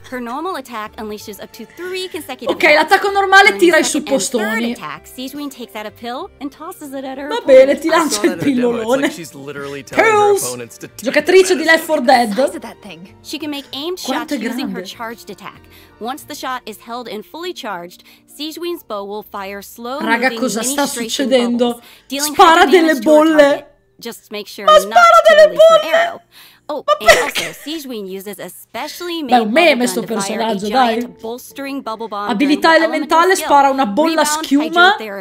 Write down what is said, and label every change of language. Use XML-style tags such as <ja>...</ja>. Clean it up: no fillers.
<en>Her normal attack unleashes up to three consecutive.</en> <it>Ok, l'attacco normale tira i suppostoni. Va bene, ti lancia il pillolone. Pills! Giocatrice di Left 4 Dead.</it> <en>She can make aimed shots using her charged attack. Once the shot is held and fully charged, Siegwing's bow will fire slow.</en> <it>Raga, cosa sta succedendo? Spara delle bolle.</it> <en>Just make sure not.</en> <it>Spara delle bolle.</it> <en>Oh, and also, Siegwing uses a specially made</en> <it>meme sto personaggio, dai.</it> <en>Bolstering bubble bomb.</en> <it>Abilità elementale spara una bolla schiuma.</it>